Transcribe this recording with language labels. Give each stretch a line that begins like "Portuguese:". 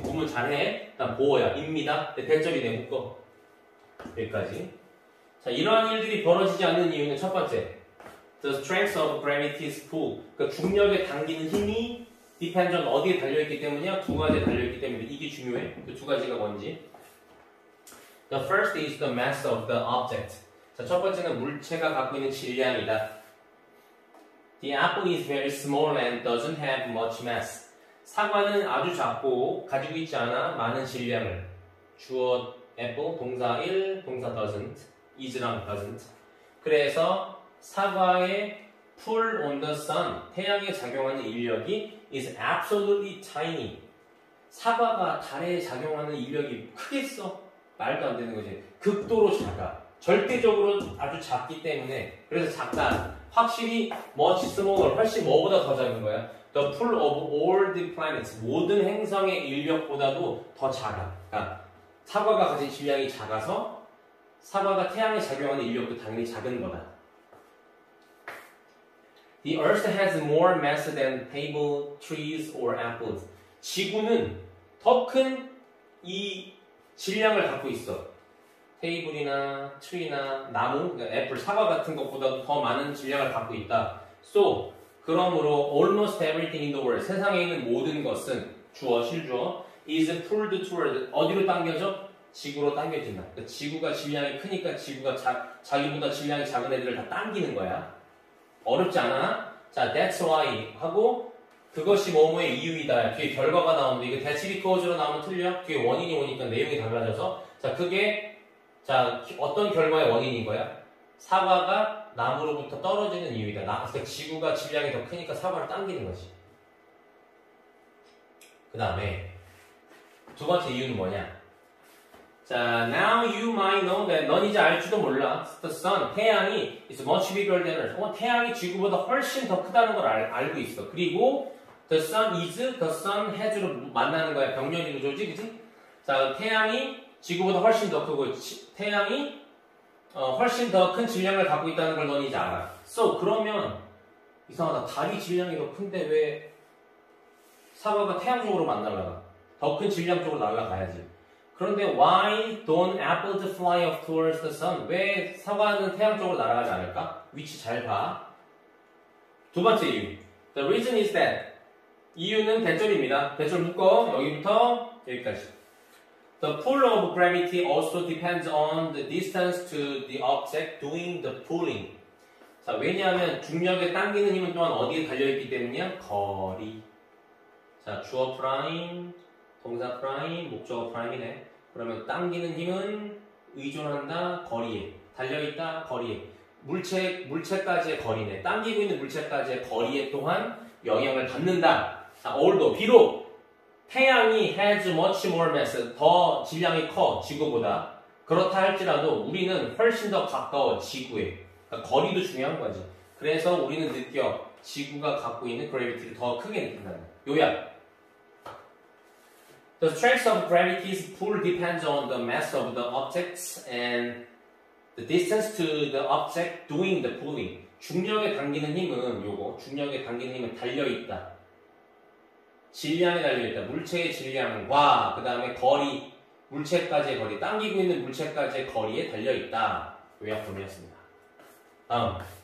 Korean: 구문 잘해. 일단 보어야. 입니다. 대절이 내 묶어. 여기까지. 자, 이러한 일들이 벌어지지 않는 이유는 첫 번째.
English: The strength of gravity's pull.
Korean: 그러니까 중력에 당기는 힘이
English: depends on
Korean: 어디에 달려있기 때문이야? 두 가지에 달려있기 때문에 이게 중요해. 그 두 가지가 뭔지.
English: The first is the mass of the object.
Korean: 자, 첫 번째는 물체가 갖고 있는 질량이다.
English: The apple is very small and doesn't have much mass.
Korean: 사과는 아주 작고 가지고 있지 않아 많은 질량을. 주어 apple, 동사 1, 동사 doesn't,
English: is랑 doesn't.
Korean: 그래서 사과의
English: pull on the sun,
Korean: 태양에 작용하는 인력이
English: is absolutely tiny.
Korean: 사과가 달에 작용하는 인력이 크겠어? 말도 안 되는 거지. 극도로 작아. 절대적으로 아주 작기 때문에. 그래서 작다. 확실히
English: much smaller,
Korean: 훨씬 뭐보다 더 작은 거야.
English: The pull of all the planets,
Korean: 모든 행성의 인력보다도 더 작아. 그러니까 사과가 가진 질량이 작아서 사과가 태양에 작용하는 인력도 당연히 작은 거다.
English: The earth has more mass than table, trees, or apples.
Korean: 지구는 더 큰 이 질량을 갖고 있어. 테이블이나 트리나 나무, 그러니까 애플, 사과 같은 것보다 더 많은 질량을 갖고 있다. So, 그러므로
English: almost everything in the world,
Korean: 세상에 있는 모든 것은 주어, 실주어,
English: is pulled toward,
Korean: 어디로 당겨져? 지구로 당겨진다. 그러니까 지구가 질량이 크니까 지구가 자기보다 질량이 작은 애들을 다 당기는 거야. 어렵지 않아? 자,
English: that's why
Korean: 하고 그것이 뭐뭐의 이유이다. 뒤에 결과가 나오는데 이거
English: that's because로
Korean: 나오면 틀려? 뒤에 원인이 오니까 내용이 달라져서 자, 그게 자, 어떤 결과의 원인인 거야? 사과가 나무로부터 떨어지는 이유이다. 그러니까 지구가 질량이 더 크니까 사과를 당기는 거지. 그 다음에 두 번째 이유는 뭐냐? 자,
English: now you might know that
Korean: 넌 이제 알지도 몰라.
English: The sun,
Korean: 태양이
English: is much bigger than earth.
Korean: 태양이 지구보다 훨씬 더 크다는 걸 알고 있어.
English: 그리고 the sun is, the sun has
Korean: 로 만나는 거야. 병렬 구조지, 그치? 자, 태양이 지구보다 훨씬 더 크고 태양이 훨씬 더 큰 질량을 갖고 있다는 걸 넌 이제 알아. So, 그러면 이상하다. 달이 질량이 더 큰데 왜 사과가 태양 쪽으로 만나려나? 더 큰 질량 쪽으로 날아가야지. 그런데
English: why don't apples fly off towards the sun?
Korean: 왜 사과는 태양 쪽으로 날아가지 않을까? 위치 잘 봐. 두 번째 이유.
English: The reason is that.
Korean: 이유는 대절입니다. 대절 묶어. 여기부터 여기까지.
English: The pull of gravity also depends on the distance to the object doing the pulling.
Korean: 자, 왜냐하면 중력에 당기는 힘은 또한 어디에 달려있기 때문이야? 거리. 자, 주어 프라임, 동사 프라임, 목적어 프라임이네. 그러면 당기는 힘은 의존한다, 거리에. 달려있다, 거리에. 물체까지의 거리네. 당기고 있는 물체까지의 거리에 또한 영향을 받는다. 자, although, 비록, 태양이
English: has much more mass,
Korean: 더 질량이 커, 지구보다. 그렇다 할지라도 우리는 훨씬 더 가까워, 지구에. 그러니까 거리도 중요한 거지. 그래서 우리는 느껴, 지구가 갖고 있는 그래비티를 더 크게 느낀다는. 요약.
English: The strength of gravity's pull depends on the mass of the objects and the distance to the object doing the pulling.
Korean: 중력에 당기는 힘은 요거, 중력에 당기는 힘은 달려있다. 질량에 달려있다. 물체의 질량과 그 다음에 거리, 물체까지의 거리, 당기고 있는 물체까지의 거리에 달려있다. 요약품이었습니다. 다음.